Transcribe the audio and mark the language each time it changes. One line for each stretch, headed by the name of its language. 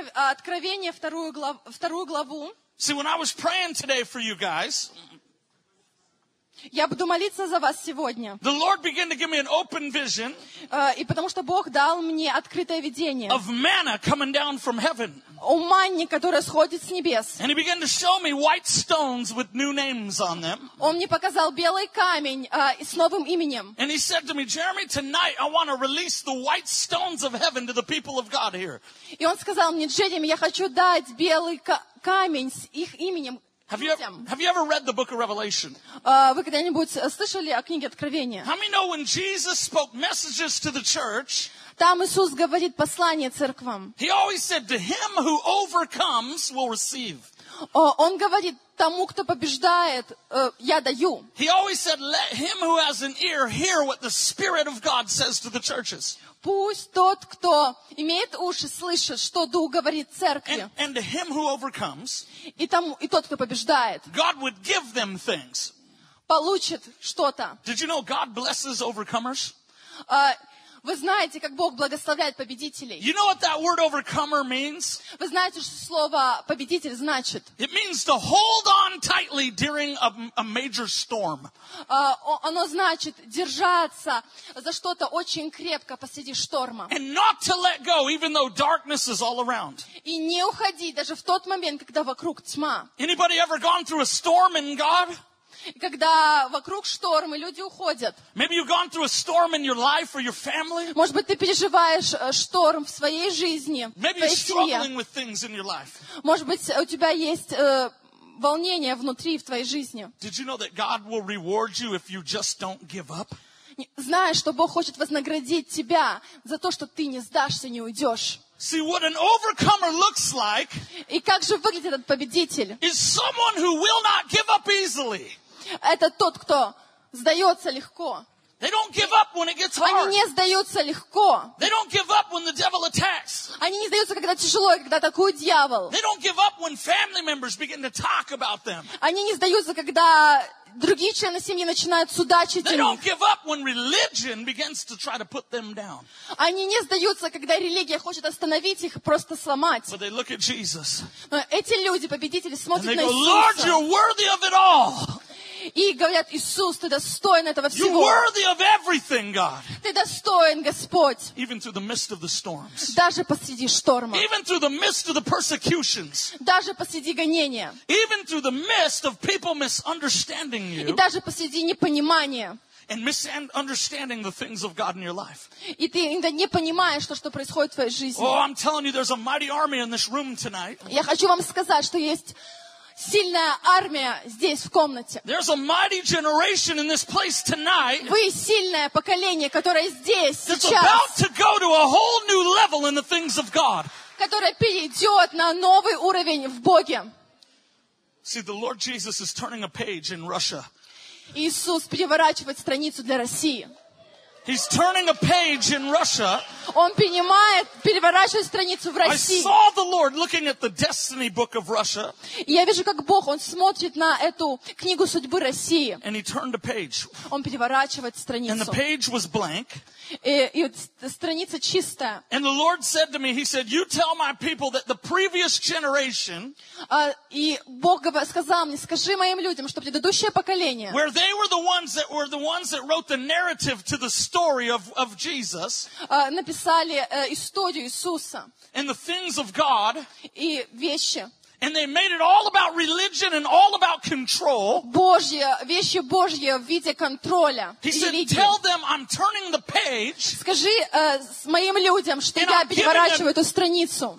Russian: Откровение вторую главу.
English: See, when I was praying today for you guys,
Russian: я буду молиться за вас сегодня.
English: The Lord began to give me an open vision.
Russian: И потому что Бог дал мне открытое видение.
English: Of manna coming down from heaven.
Russian: О манне, которая сходит с небес.
English: And he began to show me white stones with new names on them.
Russian: Он мне показал белый камень с новым именем.
English: And he said to me, Jeremy, tonight I want to release the white stones of heaven to the people of God here.
Russian: И он сказал мне, Джереми, я хочу дать белый камень с их именем.
English: Have you ever read the book of Revelation?
Russian: Вы когда-нибудь слышали о книге Откровения?
English: How many know when Jesus spoke messages to the church?
Russian: Там Иисус говорит послание церквам.
English: He always said, "To him who overcomes will receive."
Russian: Он говорит тому, кто побеждает, я даю.
English: He always said, "Let him who has an ear hear what the Spirit of God says to the churches."
Russian: Пусть тот, кто имеет уши, слышит, что Дух говорит церкви.
English: And to him who overcomes,
Russian: и тот, кто побеждает,
English: God would give them things.
Russian: Получит что-то.
English: Did you know God blesses overcomers?
Russian: Вы знаете, как Бог благословляет победителей?
English: You know what that word overcomer means?
Russian: Вы знаете, что слово победитель значит?
English: It means to hold on tightly during a major storm.
Russian: Оно значит держаться за что-то очень крепко посреди шторма.
English: And not to let go, even though darkness is all around.
Russian: И не уходить даже в тот момент, когда вокруг тьма.
English: Anybody ever gone through a storm in God?
Russian: Когда вокруг шторм, и люди уходят.
English: Maybe you've gone through a storm in your life or your family.
Russian: Может быть, ты переживаешь шторм в своей жизни, в
English: Maybe
Russian: твоей
English: you're struggling
Russian: семье.
English: With things in your life.
Russian: Может быть, у тебя есть волнение внутри в твоей жизни.
English: Did you know that God will reward you if you just don't give up?
Russian: Знаешь, что Бог хочет вознаградить тебя за то, что ты не сдашься, не уйдешь.
English: See what an overcomer looks like.
Russian: И как же выглядит этот победитель?
English: Is someone who will not give up easily.
Russian: Это тот, кто сдается легко.
English: They don't give up when it gets hard.
Russian: Они не сдаются легко.
English: They don't give up when the devil attacks.
Russian: Они не сдаются, когда тяжело, когда атакует дьявол.
English: They don't give up when family members begin to talk about them.
Russian: Они не сдаются, когда другие члены семьи начинают судачить.
English: They don't give up when religion begins to try to put them down.
Russian: Они не сдаются, когда религия хочет остановить их и просто сломать.
English: But they look at Jesus.
Russian: Эти люди, победители, смотрят на Иисуса.
English: And they go, Lord, you're worthy of it all.
Russian: И говорят, Иисус, ты достоин этого всего.
English: You're worthy of everything, God.
Russian: Ты достоин, Господь.
English: Even through the midst of the storms.
Russian: Даже посреди шторма.
English: Even through the midst of the persecutions.
Russian: Даже посреди гонения.
English: Even through the midst of people misunderstanding you.
Russian: И даже посреди непонимания.
English: And misunderstanding the things of God in your life.
Russian: И ты иногда не понимаешь, что происходит в твоей жизни.
English: Oh, I'm telling you, there's a mighty army in this room tonight.
Russian: Я хочу вам сказать, что есть сильная армия здесь, в комнате.
English: There's a mighty generation in this place tonight.
Russian: Вы сильное поколение, которое здесь,
English: that's
Russian: сейчас.
English: That's about to go to a whole new level in the things of God.
Russian: Которое перейдет на новый уровень в Боге.
English: See, the Lord Jesus is turning a page in Russia.
Russian: Иисус переворачивает страницу для России.
English: He's turning a page in Russia.
Russian: Он переворачивает страницу в России.
English: I saw the Lord looking at the destiny book of Russia.
Russian: Я вижу, как Бог, Он смотрит на эту книгу судьбы России.
English: And he turned a page.
Russian: Он переворачивает страницу.
English: And the page was blank.
Russian: И страница чистая.
English: And the Lord said to me, he said, you tell my people that the previous generation,
Russian: и Бог сказал мне, скажи моим людям, что предыдущее поколение,
English: where they were the ones that wrote the narrative to the story of Jesus,
Russian: написали историю Иисуса,
English: and the things of God,
Russian: и вещи,
English: and they made it all about religion and all about control,
Russian: Божье, вещи Божьи в виде контроля,
English: he said,
Russian: религии.
English: Tell them I'm turning the page,
Russian: скажи моим людям, что я переворачиваю эту страницу,